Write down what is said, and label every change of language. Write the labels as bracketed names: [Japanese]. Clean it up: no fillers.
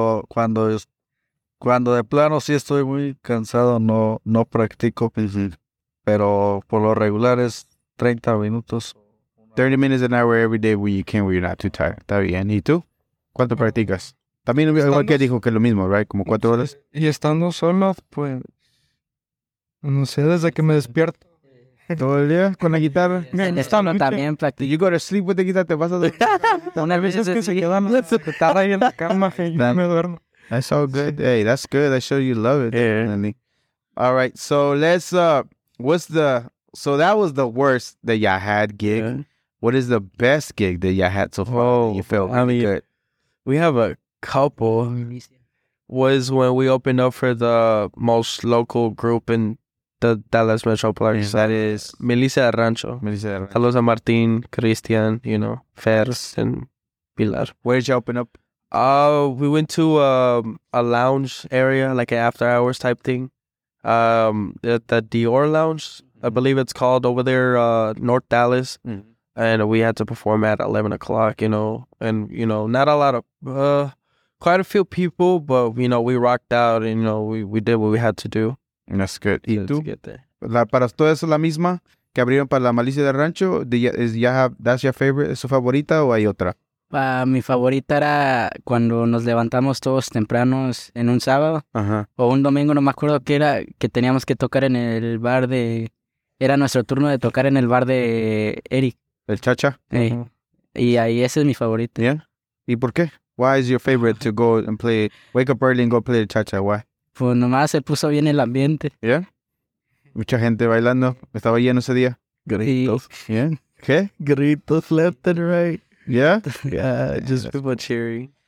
[Spanish] Cuando de plano sí estoy muy cansado, no practico. Mm-hmm. Pero por lo regular es 30 minutos. [English] 30 minutes an hour every day when you're not too tired. [Spanish] Está bien. ¿Y tú? ¿Cuánto practicas? También estando, igual que dijo que es lo mismo, ¿right? Como 4 horas. Y estando solo, pues, no sé, desde que me despierto. ¿Todo el día con la guitarra? Estando también practico. [English] You go to sleep with the guitar, [Spanish] te vas a dormir. Una vez es que se quedan la guitarra ahí en la cama y yo me duermo. [English] That's all good. Hey, that's good. That shows you love it. Yeah. Definitely. All right. So let's, that was the worst that y'all had gig. Yeah. What is the best gig that y'all had so far? Oh, you felt really good. We have a couple. Was when we opened up for the most local group in the Dallas Metroplex. Yeah. That is Melissa Rancho. Melissa Rancho. Hello, Martin, Christian, you know, Fers and Pilar. Where did y'all open up? We went to a lounge area, like an after hours type thing. The Dior Lounge, I believe it's called over there, North Dallas. Mm-hmm. And we had to perform at 11 o'clock, you know. And, you know, not a lot of, quite a few people, but, you know, we rocked out and, you know, we did what we had to do. And that's good. [Spanish] ¿Y tú? [English] To get there. [Spanish] La, para ustedes es la misma que abrieron para la Malicia del Rancho. [English] That's your favorite? [Spanish] ¿Es su favorita o hay otra? Mi favorita era cuando nos levantamos todos tempranos en un sábado. Ajá. O un domingo, no me acuerdo qué era, que teníamos que tocar en el bar de... Era nuestro turno de tocar en el bar de Eric. ¿El Chacha? Sí. Uh-huh. Y ahí ese es mi favorito. Yeah. ¿Y por qué? [English] Why is your favorite to go and play, wake up early and go play el Chacha? Why? [Spanish] Pues nomás se puso bien el ambiente. Yeah. Mucha gente bailando. Estaba lleno ese día. Gritos. Y... Yeah. ¿Qué? [English] Gritos left and right. Yeah, just people cheering.